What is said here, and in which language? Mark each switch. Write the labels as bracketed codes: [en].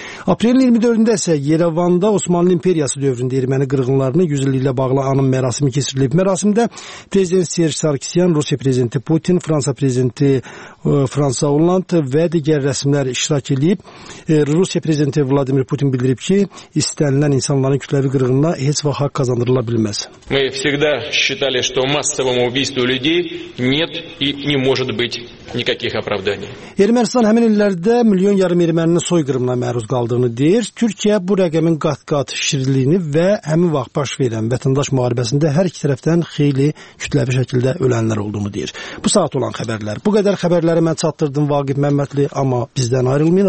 [az] Aprelin 24-də isə Yerevan'da Osmanlı İmperiyası dövründə erməni qırğınlarının 100 illiklə bağlı anım mərasimi keçirilib. Mərasimdə Prezident Serj Sarkisyan, Rusiya Prezidenti Putin, Fransa Prezidenti Fransa Hollande və digər rəsmlər iştirak edib. Rusiya Prezidenti Vladimir Putin bildirib ki, istənilən insanların kütləvi qırğınına heç vaxt haqq qazandırıla bilməz. [ru] Мы всегда считали, что массовому убийству людей нет и не может быть никаких оправданий. [az] Ermənistan həmin illərdə milyon yarım erməninin soyqırımına məruz qaldığını deyir. Türkiyə bu rəqəmin qat-qat şirinliyini və həmin vaxt baş verən vətəndaş müharibəsində hər iki tərəfdən xeyli kütləvi şəkildə ölənlər olduğunu deyir. Bu saat olan xəbərlər. Bu qədər xəbərləri mən çatdırdım Vaqif Məmmədli, amma bizdən ayrılmayın.